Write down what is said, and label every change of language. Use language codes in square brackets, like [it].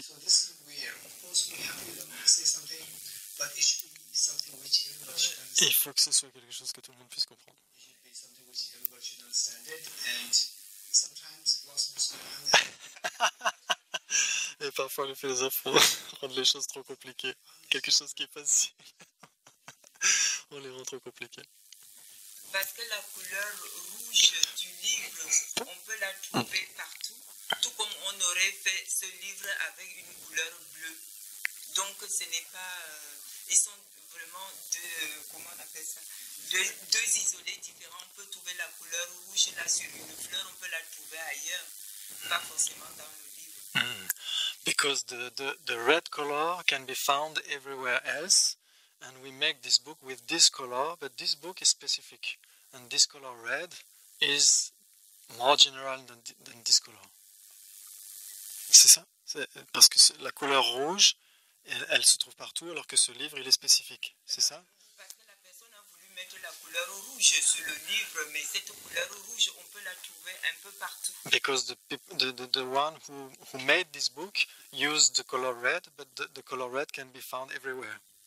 [en] So this is weird, of course we have to say something, but it should be something which everybody should understand. [fr] Il faut que ce soit quelque chose que tout le monde puisse comprendre. [en] It should be something which everybody should understand it, and sometimes philosophers don't understand it. [fr] Et parfois, les philosophes rendent les choses trop compliquées. Quelque chose qui est facile, on les rend trop compliquées. Parce que la couleur rouge du livre, on peut la trouver partout, tout comme on aurait fait ce livre avec une couleur bleue. Donc, ce n'est pas... ils sont vraiment deux... comment on appelle ça? Deux isolés différents. On peut trouver la couleur rouge là sur une fleur, on peut la trouver ailleurs, pas forcément dans le livre. [en] Because the red color can be found everywhere else, and we make this book with this color, but this book is specific, and this color red is more general than this color. [fr] C'est ça? Parce que la couleur rouge, elle se trouve partout, alors que ce livre, il est spécifique. C'est ça? Parce que la personne a voulu mettre la couleur rouge sur le livre, mais cette couleur rouge, on peut la trouver un peu partout. [en] Because the one who made this book use the color red, but the color red can be found everywhere.